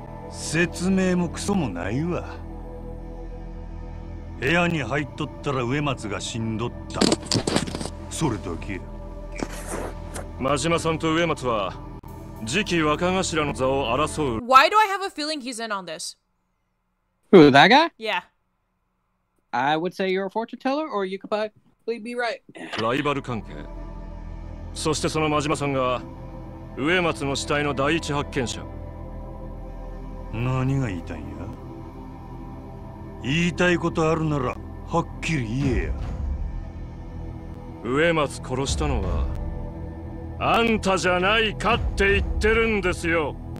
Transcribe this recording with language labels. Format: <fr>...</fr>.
<ja>説明もクソもないわ。部屋に入っとったら上松が死んどった。それだけ。マジマさんと上松は次期若頭の座を争う。</ja> <en>Why do I have a feeling he's in on this? Who, that guy? Yeah. I would say you're a fortune teller, or you could probably be right.</en> <ja>ライバル関係。そしてその真島さんが上松の死体の第一発見者。何が言いたいんや。言いたいことあるならはっきり言えや。上松殺したのはあんたじゃないかって言ってるんですよ。</ja>